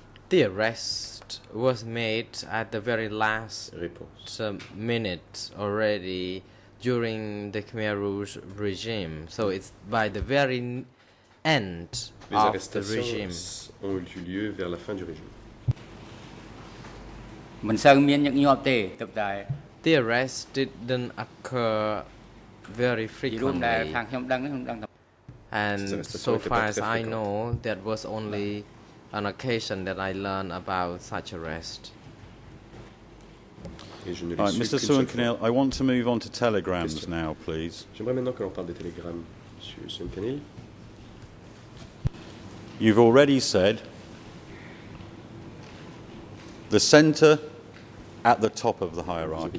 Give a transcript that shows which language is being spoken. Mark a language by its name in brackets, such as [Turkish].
[English] The arrest was made at the very last minute already during the Khmer Rouge regime. So it's by the very end [French] Les [English] of the regime. [French] Ont eu lieu vers la fin du régime. [English] The arrest didn't occur very frequently. And so far as I know, that was only an occasion that I learned about such arrest. Right, Mr. Suon Kanil, I want to move on to telegrams [French] Question. [English] Now, please. [French] J'aimerais maintenant que l'on parle des télégrammes, Monsieur Suon Kanil. [English] You've already said the center at the top of the hierarchy.